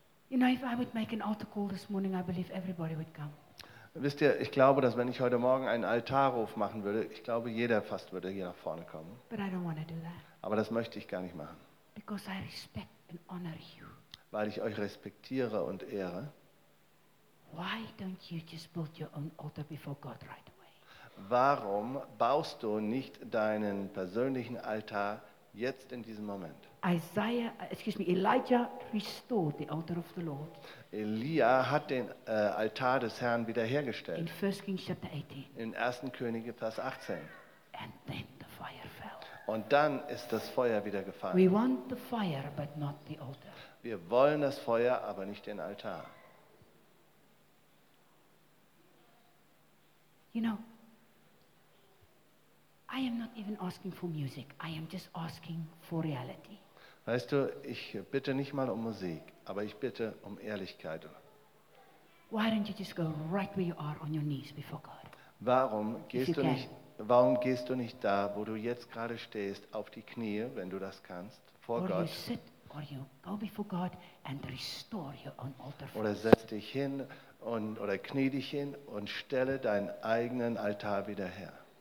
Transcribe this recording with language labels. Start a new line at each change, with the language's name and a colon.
English: You know, if I would make an altar call this morning, I believe everybody would come.
German: Wisst ihr, ich glaube, dass wenn ich heute Morgen einen Altarruf machen würde, ich glaube, jeder fast würde hier nach vorne kommen.
English: But I don't want to do that.
German: Aber das möchte ich gar nicht machen.
English: Because I respect and honor you.
German: Weil ich euch respektiere und ehre.
English: Why don't you just build your own altar before God right away?
German: Warum baust du nicht deinen persönlichen Altar jetzt in diesem Moment?
English: Elijah restored the altar of the Lord.
German: Elia hat den Altar des Herrn wiederhergestellt.
English: In 1. Kings chapter 18.
German: In 1. Könige Vers 18.
English: And then the fire fell.
German: Und dann ist das Feuer wieder gefallen.
English: We want the fire, but not the altar.
German: Wir wollen das Feuer, aber nicht den Altar.
English: You know, I am not even asking for music. I am just asking for reality.
German: Weißt du, ich bitte nicht mal um Musik, aber ich bitte um Ehrlichkeit.
English: Why don't you just go right where you are on your knees before God?
German: Warum gehst du nicht da, wo du jetzt gerade stehst, auf die Knie, wenn du das kannst, vor
English: or
German: Gott?
English: You sit, or you go before God and restore your own altar.
German: Oder setz dich hin und oder knie dich hin und stelle deinen eigenen Altar wieder her.